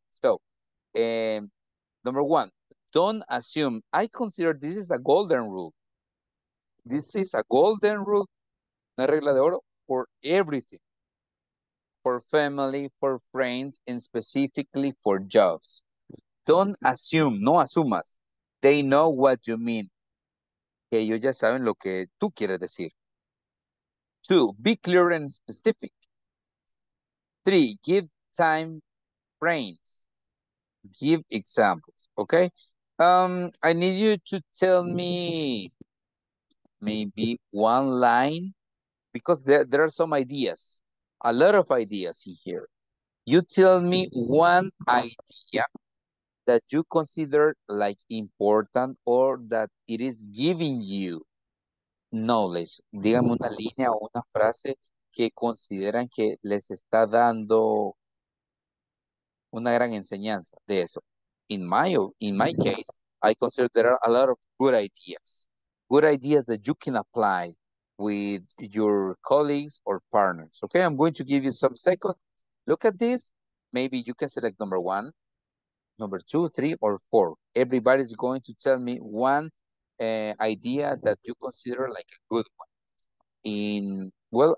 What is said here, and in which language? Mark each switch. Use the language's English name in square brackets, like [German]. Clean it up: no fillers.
[English] So, number one, don't assume. I consider this is the golden rule. This is a golden rule, [Spanish] una regla de oro, [English] for everything. For family, for friends, and specifically for jobs. Don't assume, [Spanish] no asumas. [English] They know what you mean. [Spanish] Que ellos ya saben lo que tú quieres decir. [English] Two, be clear and specific. Three, give time frames. Give examples, okay? I need you to tell me maybe one line because there are some ideas, a lot of ideas in here. You tell me one idea that you consider like important or that it is giving you knowledge. [Spanish] Dígame una línea o una frase que consideran que les está dando una gran enseñanza de eso. [English] In my case, I consider there are a lot of good ideas. Good ideas that you can apply with your colleagues or partners. Okay, I'm going to give you some seconds. Look at this. Maybe you can select number one, number two, three, or four. Everybody's going to tell me one idea that you consider like a good one.